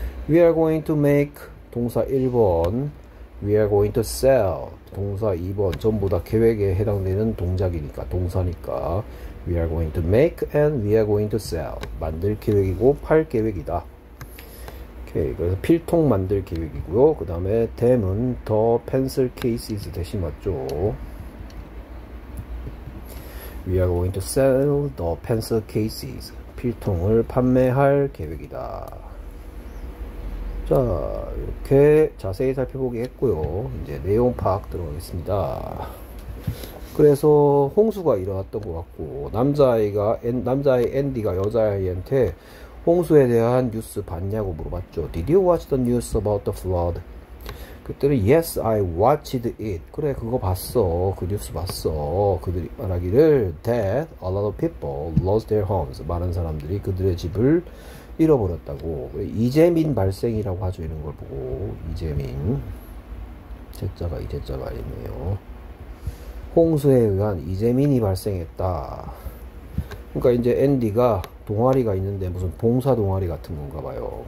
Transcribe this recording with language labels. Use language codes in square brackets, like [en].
[en] We are going to make [ko] 동사 1번, [en] we are going to sell [ko] 동사 2번 전부 다 계획에 해당되는 동작이니까, 동사니까. [en] We are going to make and we are going to sell. [ko] 만들 계획이고 팔 계획이다. 오케이, 그래서 필통 만들 계획이고요. 그 다음에 댐은 더 펜슬 케이스 대신 맞죠. [en] We are going to sell the pencil cases. [ko] 필통을 판매할 계획이다. 자, 이렇게 자세히 살펴보기 했고요. 이제 내용 파악 들어가겠습니다. 그래서 홍수가 일어났던 것 같고, 남자아이 앤디가 여자아이한테 홍수에 대한 뉴스 봤냐고 물어봤죠. [en] Did you watch the news about the flood? [ko] 그때는 [en] Yes, I watched it. [ko] 그래, 그거 봤어. 그 뉴스 봤어. 그들이 말하기를 [en] That a lot of people lost their homes. [ko] 많은 사람들이 그들의 집을 잃어버렸다고. 이재민 발생이라고 하죠. 이런 걸 보고. 이재민. 제자가 이재자가 아니네요. 홍수에 의한 이재민이 발생했다. 그러니까 이제 앤디가 동아리가 있는데 무슨 봉사 동아리 같은 건가 봐요.